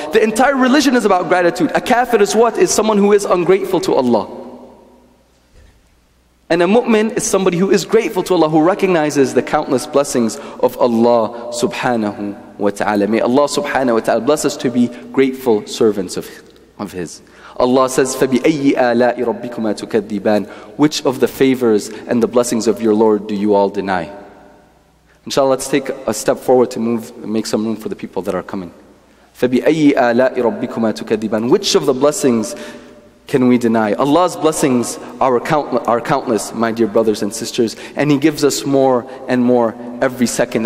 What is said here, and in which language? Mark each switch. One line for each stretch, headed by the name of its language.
English: The entire religion is about gratitude. A kafir is what? Is someone who is ungrateful to Allah. And a mu'min is somebody who is grateful to Allah, who recognizes the countless blessings of Allah subhanahu wa ta'ala. May Allah subhanahu wa ta'ala bless us to be grateful servants of His. Allah says,
Arabic: فَبِأَيِّ آلَاءِ رَبِّكُمَا تُكَذِّبَانِ.
English: Which of the favors and the blessings of your Lord do you all deny? Inshallah, let's take a step forward to move, make some room for the people that are coming.
Arabic: فَبِأَيِّ آلَاءِ رَبِّكُمَا تُكَذِّبَانِ.
English: Which of the blessings can we deny? Allah's blessings are countless, my dear brothers and sisters, and He gives us more and more every second.